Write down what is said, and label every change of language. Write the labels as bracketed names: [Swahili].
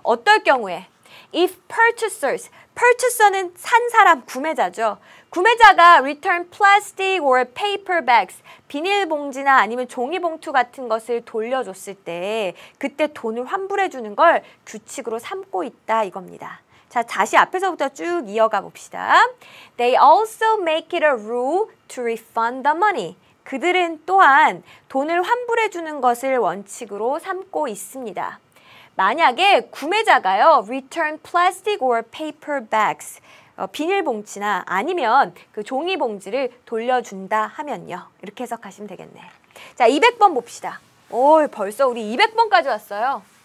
[Korean] 어떨 경우에? [English] If purchasers, [Korean] purchaser는 산 사람, 구매자죠. 구매자가 [English] return plastic or paper bags, [Korean] 비닐봉지나 아니면 종이봉투 같은 것을 돌려줬을 때 그때 돈을 환불해 주는 걸 규칙으로 삼고 있다 이겁니다. 자, 다시 앞에서부터 쭉 이어가 봅시다. [English] They also make it a rule to refund the money. [Korean] 그들은 또한 돈을 환불해 주는 것을 원칙으로 삼고 있습니다. 만약에 구매자가요, [English] return plastic or paper bags, [Korean] 비닐봉지나 아니면 그 종이봉지를 돌려준다 하면요. 이렇게 해석하시면 되겠네. 자, 200번 봅시다. 오, 벌써 우리 200번까지 왔어요.